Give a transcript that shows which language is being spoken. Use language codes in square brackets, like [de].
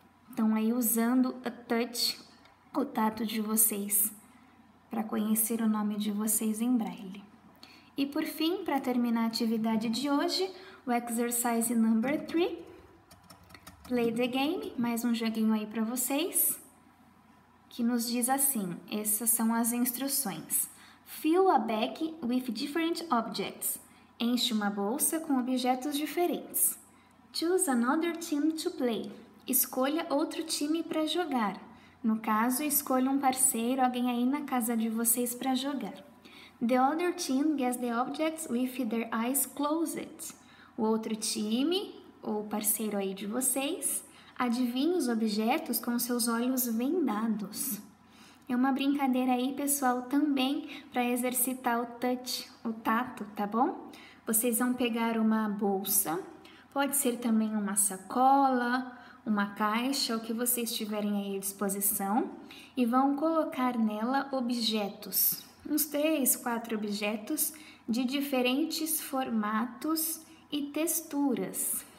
[pt] Então, aí usando a touch, o tato de vocês, para conhecer o nome de vocês em Braille. E por fim, para terminar a atividade de hoje, o [en] exercise number 3, play the game, [pt] mais um joguinho aí para vocês, que nos diz assim, essas são as instruções. [en] Fill a bag with different objects. [pt] Enche uma bolsa com objetos diferentes. [en] Choose another team to play. [pt] Escolha outro time para jogar. No caso, escolha um parceiro, alguém aí na casa de vocês para jogar. [en] The other team gets the objects with their eyes closed. [pt] O outro time, ou parceiro aí de vocês, adivinha os objetos com seus olhos vendados. É uma brincadeira aí, pessoal, também para exercitar o touch, o tato, tá bom? Vocês vão pegar uma bolsa, pode ser também uma sacola, uma caixa, o que vocês tiverem aí à disposição, e vão colocar nela objetos, uns 3, 4 objetos de diferentes formatos e texturas.